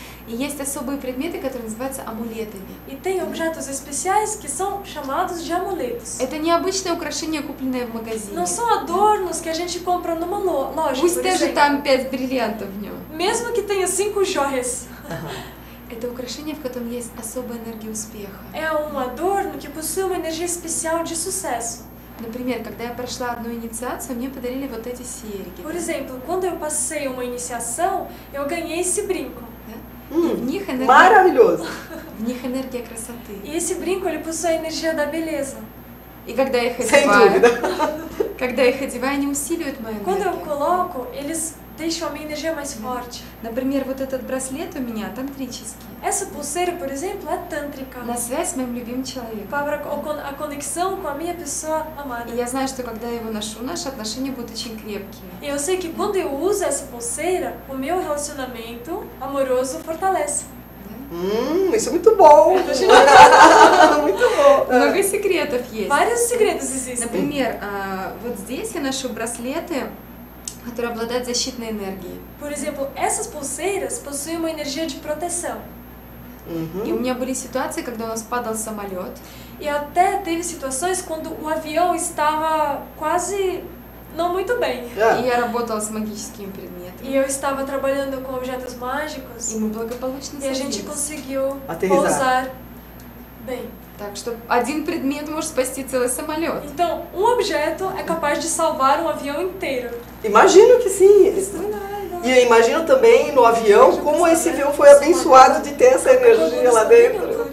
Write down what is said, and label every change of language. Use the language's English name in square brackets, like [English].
[Russian] E есть особые предметы, которые называются амулетами. [Portuguese] И tem objetos especiais que são chamados de amuletos. [Russian] Это необычное украшение, купленное в магазине. [Portuguese] Não são adornos que a gente compra numa loja. [Russian] Пусть даже там 5 бриллиантов в нем. [Portuguese] Mesmo que tenha 5 joias. [Russian] Это украшение, в котором есть особая энергия успеха. [Portuguese] É um adorno que possui uma energia especial de sucesso. [Russian] Например, когда я прошла одну инициацию, мне подарили вот эти серьги. [Portuguese] Por exemplo, quando eu passei uma iniciação, eu ganhei esse brinco. Maravilhoso. [Russian] В них энергия красоты. [Portuguese] E esse brinco, ele possui a energia da beleza. [Russian] E когда я их одеваю? [Portuguese] Sem dúvida. [Russian] Когда я их одеваю, они усиливают мою энергию. [Portuguese] Quando eu coloco, eles deixam a minha energia mais forte. [Russian] Например, вот этот браслет у меня тантрический. [Portuguese] Essa pulseira, por exemplo, é tântrica. [Russian] На связь с моим любимым человеком. [Portuguese] Para a conexão com a minha pessoa amada. [Russian] E я знаю, что когда я его ношу, наши отношения будут очень крепкие. [Portuguese] E eu sei que quando eu uso essa pulseira, o meu relacionamento amoroso fortalece. Isso é muito bom. Muito bom. [Russian] Много секретов есть. [Portuguese] Vários segredos existem. [Russian] Например, вот здесь я ношу браслеты, которые обладают защитной энергией. [Portuguese] Por exemplo, essas pulseiras possuem uma energia de proteção. [Russian] И у меня были ситуации, когда у нас падал самолет. [Portuguese] И até teve situações quando o avião estava quase não muito bem. [Russian] И я работала с магическими предметами. [Portuguese] E eu estava trabalhando com objetos mágicos. [Russian] И мы благополучно садились. [Portuguese] И a gente conseguiu pousar bem. [Russian] Так что один предмет может спасти целый самолет. [Portuguese] Então, um objeto é capaz de salvar um avião inteiro. Imagino que sim. E eu imagino também no avião como esse avião foi abençoado de ter essa energia lá dentro.